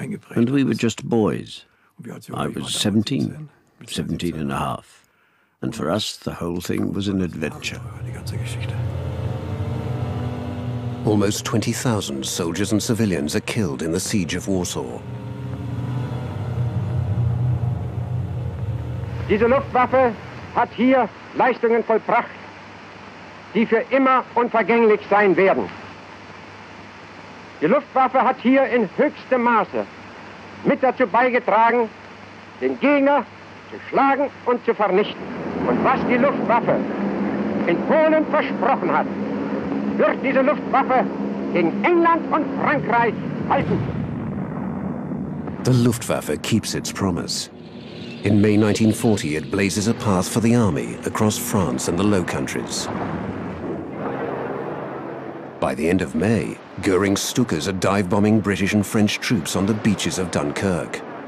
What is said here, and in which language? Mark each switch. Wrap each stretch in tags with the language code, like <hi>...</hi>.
<en>And we were just boys. I was 17, 17 and a half. And for us, the whole thing was an adventure. Almost 20,000 soldiers and civilians are killed in the siege of Warsaw.</en> <de>Diese Luftwaffe hat hier Leistungen vollbracht, die für immer unvergänglich sein werden. Die Luftwaffe hat hier in höchstem Maße mit dazu beigetragen, den Gegner zu schlagen und zu vernichten. Und was die Luftwaffe in Polen versprochen hat, wird diese Luftwaffe gegen England und Frankreich halten.</de> <en>The Luftwaffe keeps its promise. In May 1940, it blazes a path for the army across France and the Low Countries. By the end of May, Göring's Stukas are dive bombing British and French troops on the beaches of Dunkirk.</en>